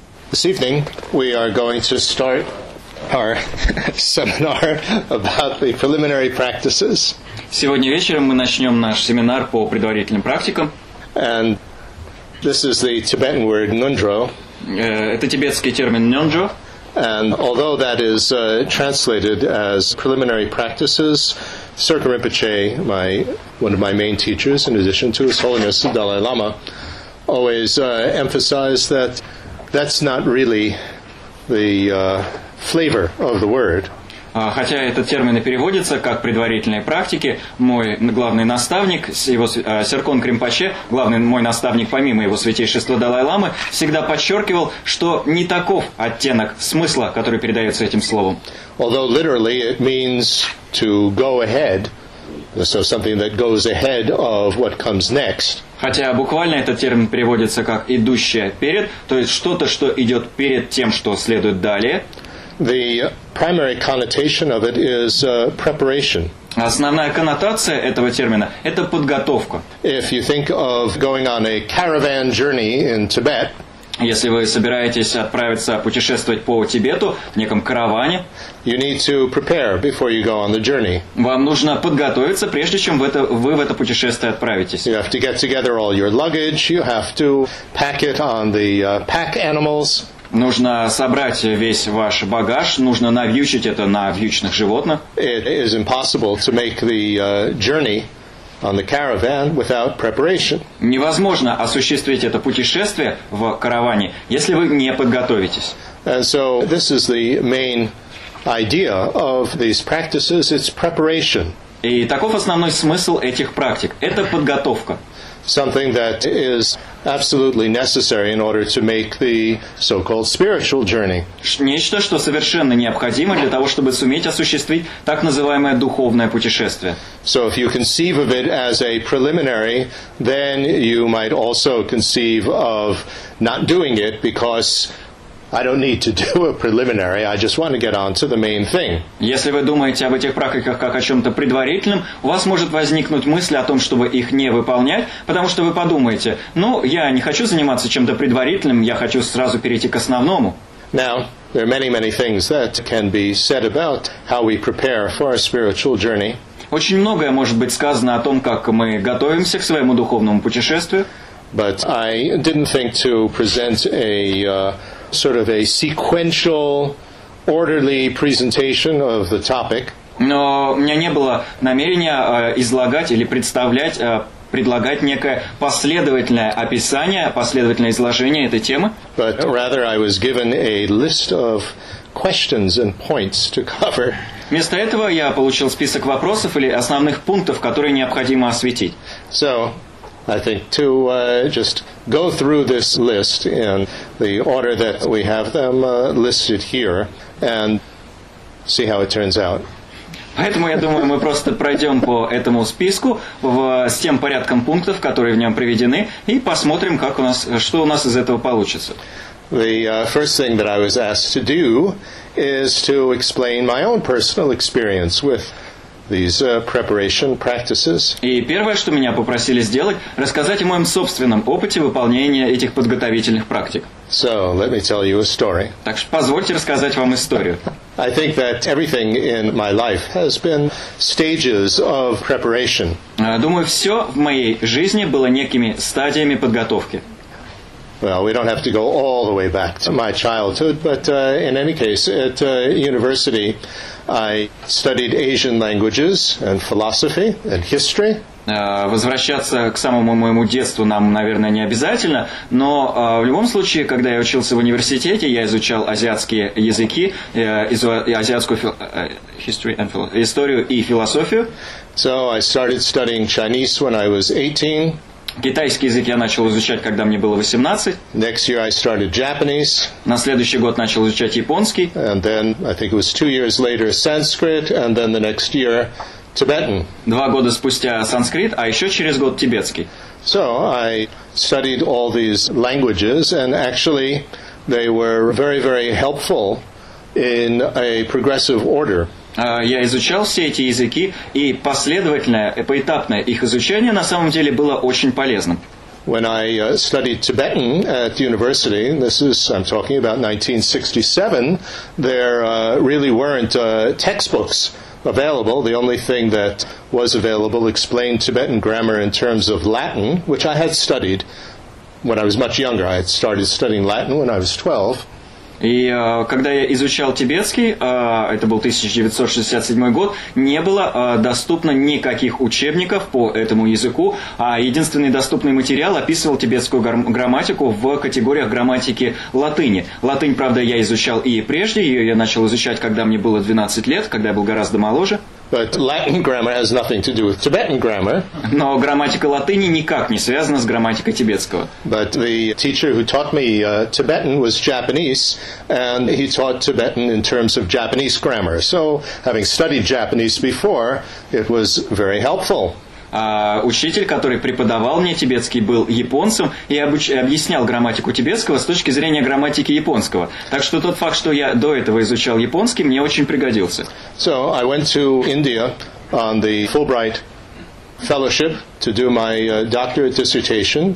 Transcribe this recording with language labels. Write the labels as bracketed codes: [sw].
[en] This evening, we are going to start our seminar about the preliminary practices. [ru] Сегодня вечером мы начнем наш семинар по предварительным практикам. [en] And this is the Tibetan word нёндро. [ru] Это тибетский термин нёндро. [en] And although that is translated as preliminary practices, Sirka Rinpoche, one of my main teachers, in addition to His Holiness the Dalai Lama, always emphasized that that's not really the flavor of the word. [ru] Хотя этот термин и переводится как предварительные практики, мой главный наставник, его Серкон Кримпаче, главный мой наставник помимо его святейшества Далай-ламы, всегда подчеркивал, что не таков оттенок смысла, который передается этим словом. [en] Although literally it means to go ahead, so something that goes ahead of what comes next. [ru] Хотя буквально этот термин переводится как идущее перед, то есть что-то, что идет перед тем, что следует далее. [en] The primary connotation of it is preparation. [ru] Основная коннотация этого термина – это подготовка. [en] If you think of going on a caravan journey in Tibet, [ru] если вы собираетесь отправиться путешествовать по Тибету в неком караване, [en] you need to prepare before you go on the journey. [ru] Вам нужно подготовиться, прежде чем вы в это путешествие отправитесь. [en] You have to get together all your luggage. You have to pack it on the pack animals. [ru] Нужно собрать весь ваш багаж, нужно навьючить это на вьючных животных. [en] It is impossible to make the journey on the caravan without preparation. [ru] Невозможно осуществить это путешествие в караване, если вы не подготовитесь. [en] And so this is the main idea of these practices, it's preparation. [ru] И таков основной смысл этих практик – это подготовка. [en] Something that is absolutely necessary in order to make the so-called spiritual journey. [ru] Нечто, что совершенно необходимо для того, чтобы суметь осуществить так называемое духовное путешествие. [en] So if you conceive of it as a preliminary, then you might also conceive of not doing it because I don't need to do a preliminary, I just want to get on to the main thing. [ru] Если вы думаете об этих практиках как о чем-то предварительном, у вас может возникнуть мысль о том, чтобы их не выполнять, потому что вы подумаете, ну, я не хочу заниматься чем-то предварительным, я хочу сразу перейти к основному. [en] Now, there are many, many things that can be said about how we prepare for our spiritual journey. [ru] Очень многое может быть сказано о том, как мы готовимся к своему духовному путешествию. [en] But I didn't think to present a sort of a sequential, orderly presentation of the topic. [ru] Но у меня не было намерения излагать или представлять, предлагать некое последовательное описание, последовательное изложение этой темы. [en] But rather I was given a list of questions and points to cover. [ru] Вместо этого я получил список вопросов или основных пунктов, которые необходимо осветить. [en] So I think to just go through this list in the order that we have them listed here and see how it turns out. [ru] Поэтому я думаю, мы просто пройдем по этому списку с тем порядком пунктов, которые в нем приведены, и посмотрим, как у нас, что у нас из этого получится. [en] The first thing that I was asked to do is to explain my own personal experience with these preparation practices. [ru] И первое, что меня попросили сделать, рассказать о моем собственном опыте выполнения этих подготовительных практик. [en] So, let me tell you a story. [ru] Так что позвольте рассказать вам историю. [en] I think that everything in my life has been stages of preparation. [ru] Думаю, все в моей жизни было некими стадиями подготовки. [en] Well, we don't have to go all the way back to my childhood, but in any case, at university, I studied Asian languages and philosophy and history. [ru] Возвращаться к самому моему детству нам, наверное, не обязательно, но в любом случае, когда я учился в университете, я изучал азиатские языки, азиатскую историю и философию. [en] So I started studying Chinese when I was 18. [ru] Китайский язык я начал изучать, когда мне было 18. [en] Next year I started Japanese. [ru] На следующий год начал изучать японский. [en] And then, I think it was 2 years later, Sanskrit, and then the next year, Tibetan. [ru] 2 года спустя санскрит, а еще через год тибетский. [en] So, I studied all these languages, and actually, they were very, very helpful in a progressive order. [ru] Я изучал все эти языки, и последовательное, поэтапное их изучение на самом деле было очень полезным. [en] when I studied Tibetan at university, this is, I'm talking about 1967, there really weren't textbooks available. The only thing that was available explained Tibetan grammar in terms of Latin, which I had studied when I was much younger. I had started studying Latin when I was 12. [ru] И когда я изучал тибетский, это был 1967 год, не было доступно никаких учебников по этому языку, а единственный доступный материал описывал тибетскую грамматику в категориях грамматики латыни. Латынь, правда, я изучал и прежде, ее я начал изучать, когда мне было 12 лет, когда я был гораздо моложе. [en] But Latin grammar has nothing to do with Tibetan grammar. [ru] Но грамматика латыни никак не связана с грамматикой тибетского. [en] But the teacher who taught me Tibetan was Japanese, and he taught Tibetan in terms of Japanese grammar. So, having studied Japanese before, it was very helpful. [ru] Учитель, который преподавал мне тибетский, был японцем и объяснял грамматику тибетского с точки зрения грамматики японского. Так что тот факт, что я до этого изучал японский, мне очень пригодился. [en] So I went to India on the Fulbright fellowship to do my doctorate dissertation.